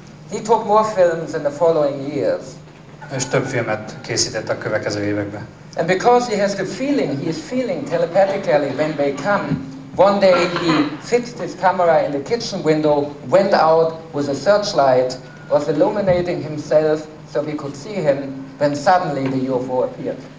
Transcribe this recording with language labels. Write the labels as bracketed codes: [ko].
[en] He took more films in the following years. [hu] És több filmet készített a következő években. [en] And because he has the feeling, he is feeling telepathically when they come. One day he fixed his camera in the kitchen window, went out with a searchlight, was illuminating himself so we could see him, when suddenly the UFO appeared.